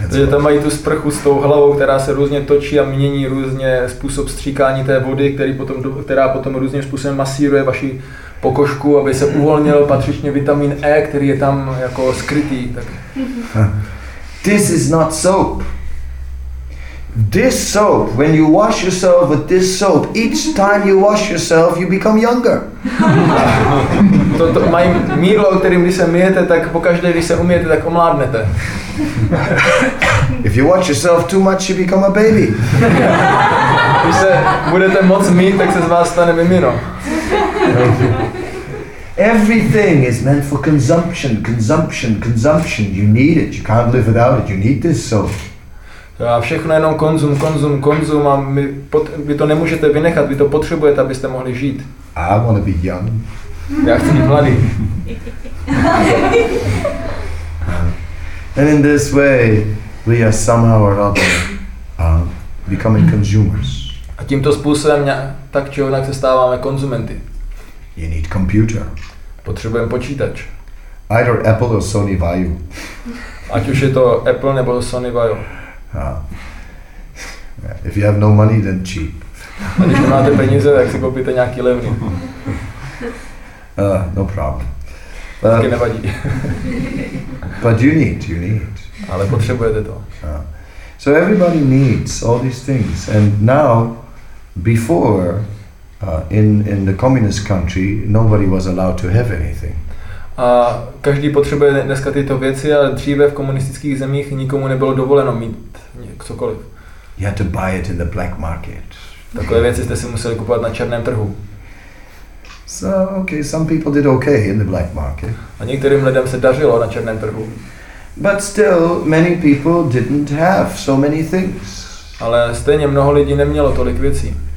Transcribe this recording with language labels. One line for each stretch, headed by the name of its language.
Czech: Tam mají tu sprchu s tou hlavou, která se různě točí a mění různě způsob stříkání té vody, která potom různým způsobem masíruje vaši pokožku, aby se uvolnil patřičně vitamin E, který je tam jako skrytý. Tak.
English: This is not soap. This soap, when you wash yourself with this soap, each time you wash yourself, you become younger.
Czech: To mají mýdlo, kterým když se myjete, tak pokaždé, když se umyjete, tak omládnete.
English: If you watch yourself too much, you become a baby.
Czech: Když se budete moc mít, tak se z vás stane mimino.
English: Everything is meant for consumption, consumption, consumption. You need it, you can't live without it, you need this soap.
Czech: A všechno jenom konzum, konzum, konzum, a vy to nemůžete vynechat, vy to potřebujete, abyste mohli žít.
English: I want to be young.
Czech: Já chci být mladý.
English: And in this way, we are somehow or other becoming consumers.
Czech: A tímto způsobem tak či onak se stáváme konzumenty.
English: You need computer.
Czech: Potřebujeme počítač.
English: Either Apple or Sony Vaio.
Czech: Ať už je to Apple nebo Sony Vaio.
English: If you have no money, then cheap.
Czech: A když nemáte peníze, tak si koupíte nějaký levný.
English: No problem.
Czech: Taky nevadí.
English: But you need.
Czech: Ale potřebujete to.
English: So everybody needs all these things, and now, before, in the communist country, nobody was allowed to have anything.
Czech: A každý potřebuje dneska tyto věci, ale dříve v komunistických zemích nikomu nebylo dovoleno mít cokoliv.
English: You had to buy it in the black market.
Czech: Takové věci jste si museli kupovat na černém trhu.
English: So okay, some people did okay in the black market.
Czech: A některým lidem se dařilo na černém trhu.
English: But still, many people didn't have so many things.
Czech: Ale stejně mnoho lidí nemělo tolik věcí.